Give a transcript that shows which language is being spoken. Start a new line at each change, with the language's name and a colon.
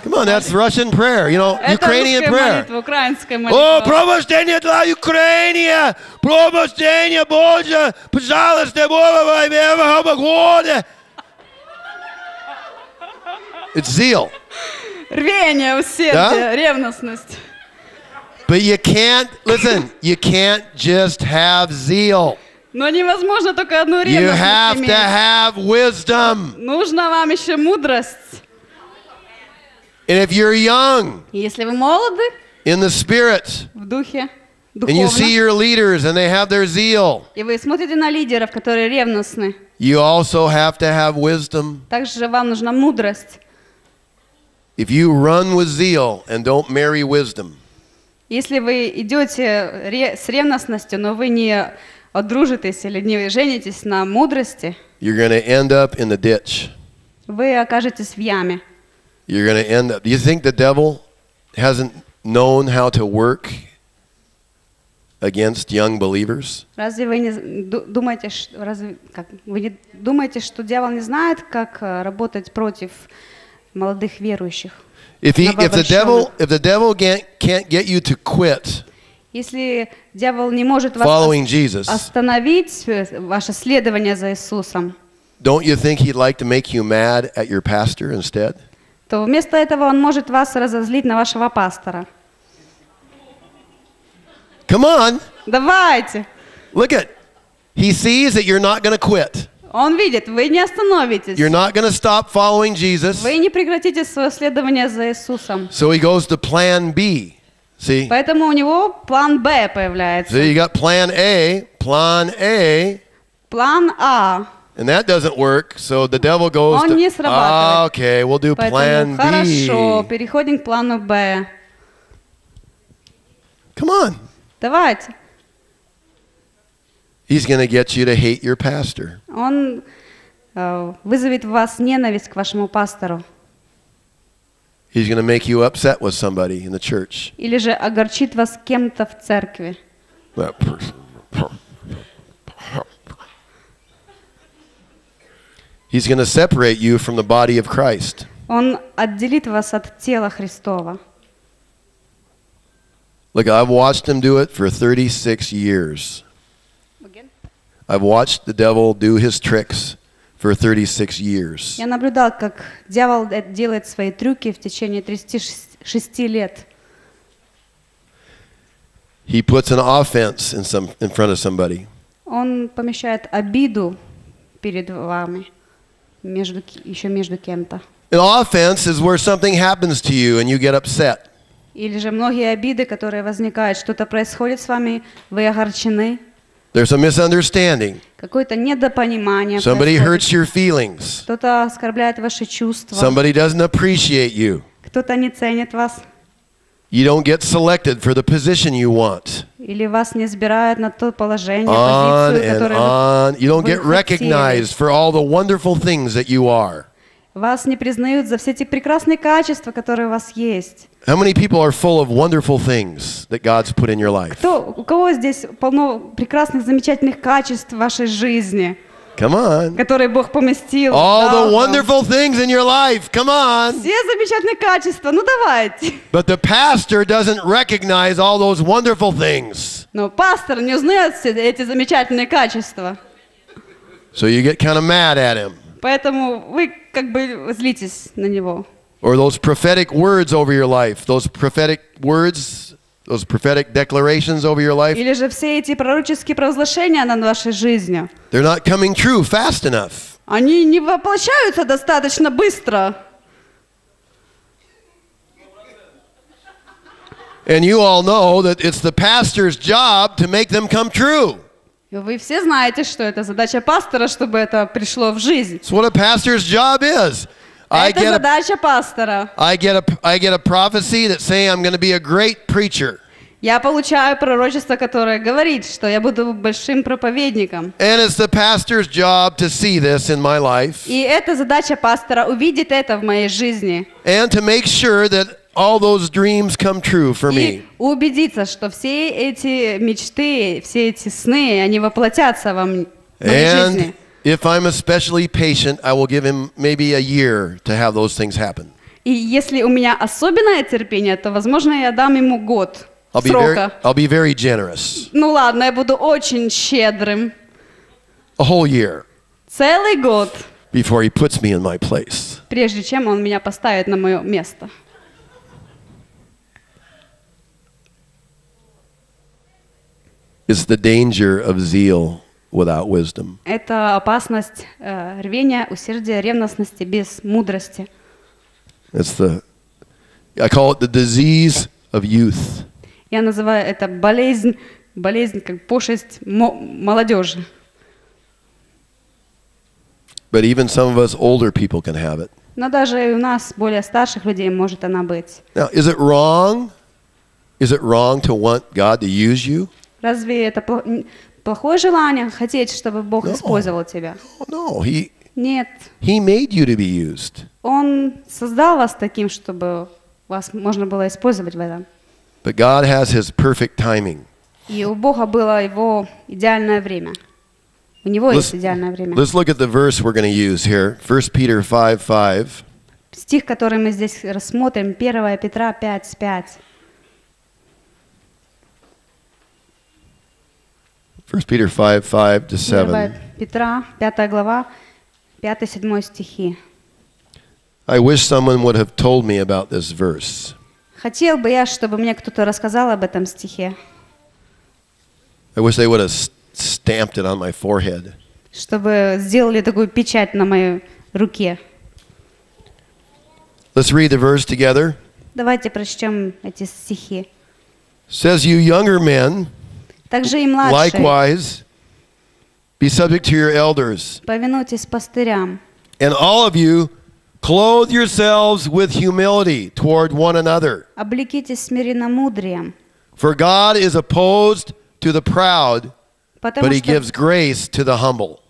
English: Come on, that's Russian prayer, you know, Ukrainian prayer.
Russian: Это украинская молитва. О, пробуждение для Украины! Пробуждение, Боже! Пожалуйста, Бога во имя моего Бога!
English: It's zeal.
Russian: Рвение, усердие, ревностность.
English: But you can't, listen, you can't just have zeal.
Russian: Но невозможно только одну ревность иметь.
English: You have to have wisdom.
Russian: Нужна вам еще мудрость.
English: And if you're young,
Russian: если вы молоды,
English: in the spirit,
Russian: в духе, духовно,
English: and you see your leaders and they have their zeal,
Russian: и вы смотрите на лидеров, которые ревностны,
English: you also have to have wisdom.
Russian: Также вам нужна мудрость.
English: If you run with zeal and don't marry wisdom,
Russian: если вы идете с ревностностью, но вы не одружитесь или не женитесь на мудрости,
English: you're going to end up in the ditch.
Russian: Вы окажетесь в яме.
English: You're going to end up. Do you think the devil hasn't known how to work against young believers?
Russian: Разве вы не думаете, вы не думаете, что дьявол не знает, как работать против молодых верующих?
English: If the devil can't get you to quit.
Russian: Если дьявол не может вас остановить ваше следование за Иисусом.
English: Don't you think he'd like to make you mad at your pastor instead?
Russian: То вместо этого он может вас разозлить на вашего пастора.
English: Come on.
Russian: Давайте.
English: Look at. He sees that you're not going to quit.
Russian: Он видит, вы не остановитесь.
English: You're not going to stop following Jesus.
Russian: Вы не прекратите свое следование за Иисусом.
English: So he goes to plan B. See?
Russian: Поэтому у него план Б появляется.
English: So you got plan A, plan A.
Russian: План А.
English: And that doesn't work, so the devil goes
Russian: он
English: to,
Russian: не срабатывает.
English: Okay, we'll do plan B.
Russian: Хорошо, переходим к плану Б.
English: Come on.
Russian: Давайте.
English: He's going to get you to hate your pastor.
Russian: Он вызовет в вас ненависть к вашему пастору.
English: He's going to make you upset with somebody in the church.
Russian: Или же огорчит вас кем-то в церкви.
English: That person. He's going to separate you from the body of Christ.
Russian: Он отделит вас от тела Христова.
English: Look, I've watched him do it for 36 years. Again? I've watched the devil do his tricks for 36 years.
Russian: Я наблюдал, как дьявол делает свои трюки в течение 36 лет.
English: He puts an offense in front of somebody.
Russian: Он помещает обиду перед вами, между, еще между кем-то.
English: An offense is where something happens to you and you get upset.
Russian: Или же многие обиды, которые возникают, что-то происходит с вами, вы огорчены.
English: There's a misunderstanding.
Russian: Какое-то недопонимание.
English: Somebody hurts your feelings.
Russian: Кто-то оскорбляет ваши чувства.
English: Somebody doesn't appreciate you.
Russian: Кто-то не ценит вас.
English: You don't get selected for the position you want.
Russian: Или вас не избирают на то положение, позицию, которую вы хотели.
English: You don't get recognized for all the wonderful things that you are.
Russian: Вас не признают за все эти прекрасные качества, которые у вас есть.
English: How many people are full of wonderful things that God's put in your life?
Russian: Кто, у кого здесь полно прекрасных, замечательных качеств в вашей жизни?
English: Come on.
Russian: Которые Бог поместил.
English: All the wonderful things in your life. Come on.
Russian: Все замечательные качества. Ну давайте.
English: But the pastor doesn't recognize all those wonderful things.
Russian: Но пастор не узнает все эти замечательные качества.
English: So you get kind of mad at him.
Russian: Поэтому вы как бы злитесь на него.
English: Or those prophetic words over your life. Those prophetic words, those prophetic declarations over your life.
Russian: Или же все эти пророческие провозглашения над вашей жизнью.
English: They're not coming true fast enough.
Russian: Они не воплощаются достаточно быстро.
English: And you all know that it's the pastor's job to make them come true.
Russian: Вы все знаете, что это задача пастора, чтобы это пришло в жизнь.
English: It's what a pastor's job is.
Russian: Это задача пастора.
English: I get a prophecy that say I'm going to be a great preacher.
Russian: Я получаю пророчество, которое говорит, что я буду большим проповедником.
English: And it's the pastor's job to see this in my life.
Russian: И это задача пастора увидеть это в моей жизни.
English: And to make sure that all those dreams come true for me.
Russian: И убедиться, что все эти мечты, все эти сны, они воплотятся в моей жизни.
English: If I'm especially patient, I will give him maybe a year to have those things happen.
Russian: И если у меня особенное терпение, то возможно я дам ему год срока.
English: I'll be very generous.
Russian: Ну ладно, я буду очень щедрым.
English: A whole year.
Russian: Целый год.
English: Before he puts me in my place.
Russian: Прежде чем он меня поставит на мое место.
English: It's the danger of zeal. Without wisdom.
Russian: Это опасность рвения, усердия, ревностности без мудрости.
English: It's the, I call it the disease of youth.
Russian: Я называю это болезнь как пошесть молодежи.
English: But even some of us older people can have it.
Russian: Но даже у нас более старших людей может она быть.
English: Now, is it wrong? Is it wrong to want God to use you?
Russian: Разве это плохое желание хотеть, чтобы Бог использовал тебя? Нет.
English: He made you to be used.
Russian: Он создал вас таким, чтобы вас можно было использовать в этом.
English: But God has his perfect timing.
Russian: И у Бога было его идеальное время. У него есть идеальное время.
English: Let's look at the verse we're going to use here. 1 Peter 5:5.
Russian: Стих, который мы здесь рассмотрим, 1 Петра 5:5.
English: 1 Peter 5:5-7.
Russian: Петра, 5 глава, 5-7 стихи.
English: I wish someone would have told me about this verse.
Russian: Хотел бы я, чтобы мне кто-то рассказал об этом стихе.
English: I wish they would have stamped it on my forehead.
Russian: Чтобы сделали такую печать на моей руке.
English: Let's read the verse together.
Russian: Давайте прочтем эти стихи.
English: Says you younger men, likewise, be subject to your elders.
Russian: Повинуйтесь пастырям.
English: And all of you, clothe yourselves with humility toward one another.
Russian: Облекитесь смиренномудрием.
English: For God is opposed to the proud, but he gives grace to the humble.